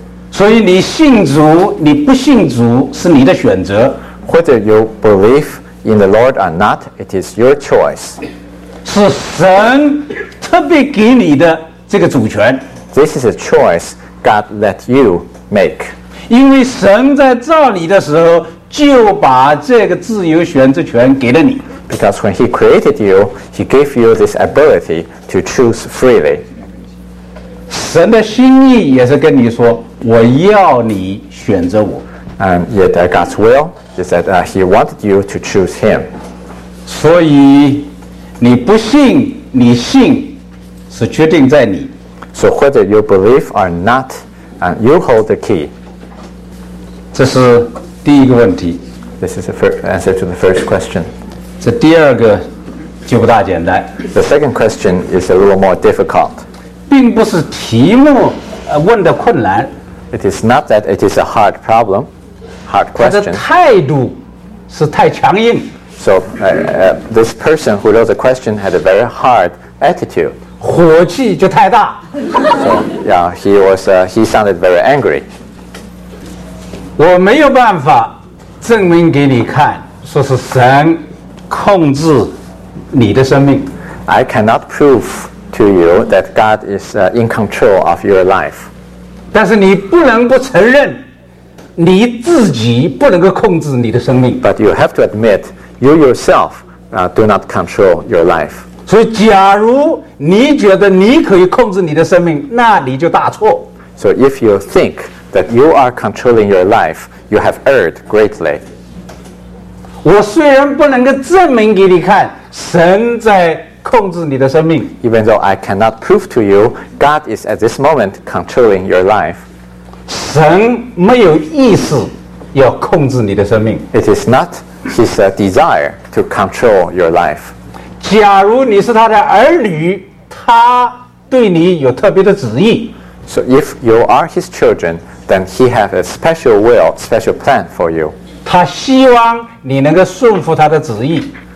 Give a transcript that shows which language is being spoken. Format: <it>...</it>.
<zh>所以你信主你不信主是你的选择。</zh> <en>Whether you believe in the Lord or not, it is your choice.</en> <zh>是神特别给你的这个主权。</zh> <en>This is a choice God let you make.</en> <zh>因为神在造你的时候就把这个自由选择权给了你。</zh> <en>Because when he created you, he gave you this ability to choose freely.</en> <zh>神的心意也是跟你说，我要你选择我。</zh> <en>And yet God's will is that he wanted you to choose him.</en> <zh>所以你不信，你信是决定在你。</zh> <en>So whether you believe or not, and you hold the key.</en> <zh>这是第一个问题。</zh> <en>This is the first answer to the first question.</en> <zh>这第二个就不大简单。</zh> <en>The second question is a little more difficult.</en> <zh>并不是题目问的困难。</zh> <en>It is not that it is a hard problem, hard question.</en> <zh>他的态度是太强硬。</zh> <en>So this person who wrote the question had a very hard attitude.</en> <zh>火气就太大。</zh> <en>So, yeah, he sounded very angry.</en> <zh>我没有办法证明给你看，说是神控制你的生命。</zh> <en>I cannot prove to you that God is in control of your life.</en> <zh>但是你不能不承认，你自己不能够控制你的生命。</zh> <en>But you have to admit. You yourself do not control your life.</en> <zh>所以假如你觉得你可以控制你的生命，那你就大错。</zh> <en>So if you think that you are controlling your life, you have erred greatly.</en> <zh>我虽然不能够证明给你看神在控制你的生命，</zh> <en>Even though I cannot prove to you God is at this moment controlling your life,</en> <zh>神没有意思要控制你的生命。</zh> <en>It is notHis desire to control your life.</en> <zh>假如你是他的儿女，他对你有特别的旨意。</zh> <en>So if you are his children, then he has a special will, special plan for you.</en> <zh>他希望你能够顺服他的旨意。</zh>